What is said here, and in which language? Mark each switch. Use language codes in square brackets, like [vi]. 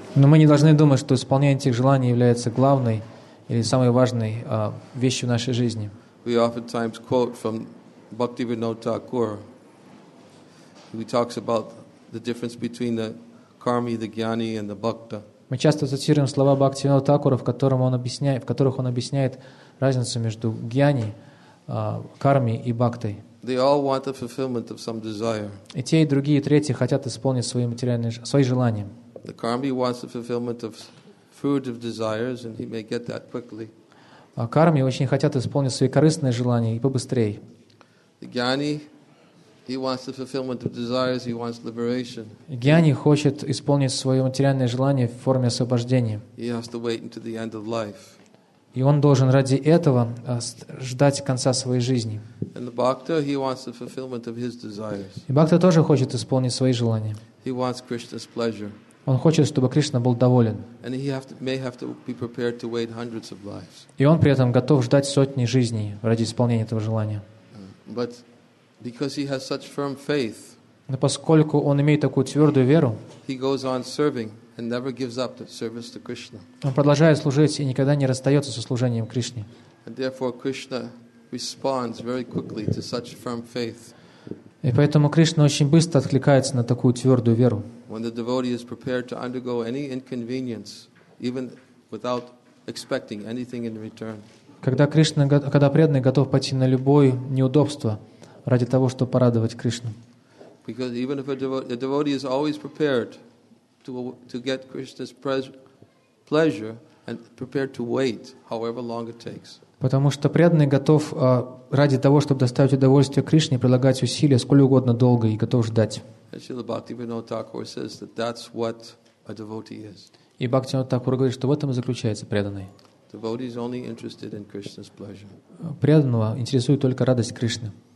[ru] Но мы не должны думать, что исполнение этих желаний является главной или самой важной вещью в нашей жизни. [en] We oftentimes quote from Bhaktivinoda Thakur. He talks about the difference between the karmi, the gyani, and the bhakta. [ru] Мы часто цитируем слова Бхактивинода Такура, в которых он объясняет разницу между гьяни, карми и бхактой. [en] They all want the fulfillment of some desire. [ru] И те, и другие, и третьи хотят исполнить свои материальные, свои желания. [en] The karmi wants the fulfillment of fruit of desires, and he may get that quickly. [ru] А карми очень хотят исполнить свои корыстные желания и побыстрее. [en] The gyani, he wants the fulfillment of desires, he wants liberation. [ru] Гьяни хочет исполнить свое материальное желание в форме освобождения. [en] He has to wait until the end of life. [ru] И он должен ради этого ждать конца своей жизни. [en] And the bhakta, he wants the fulfillment of his desires. [ru] И бхакта тоже хочет исполнить свои желания. [en] He wants Krishna's pleasure. [ru] Он хочет, чтобы Кришна был доволен. [en] And he may have to be prepared to wait hundreds of lives. [ru] И он при этом готов ждать сотни жизней ради исполнения этого желания. [en] But because he has such firm faith, [ru] но поскольку он имеет такую твердую веру, [en] he goes on serving and never gives up the service to Krishna. [ru] Он продолжает служить и никогда не расстается со служением Кришне. [en] And therefore Krishna responds very quickly to such firm faith. [ru] И поэтому Кришна очень быстро откликается на такую твердую веру. [en] When the devotee is prepared to undergo any inconvenience, even without expecting anything in return. [ru] Когда Кришна, когда преданный готов пойти на любое неудобство ради того, чтобы порадовать Кришну. [en] Because even if a devotee is always prepared to get Krishna's pleasure and prepared to wait however long it takes. [ru] Потому что преданный готов ради того, чтобы доставить удовольствие Кришне, прилагать усилия сколь угодно долго и готов ждать. [en] Srila Bhaktivinoda Thakur says that that's what a devotee is. [ru] И Бхактивинода Такур говорит, что в этом и заключается преданный. [en] Devotee is only interested in Krishna's pleasure. [ru] Преданного интересует только радость Кришны.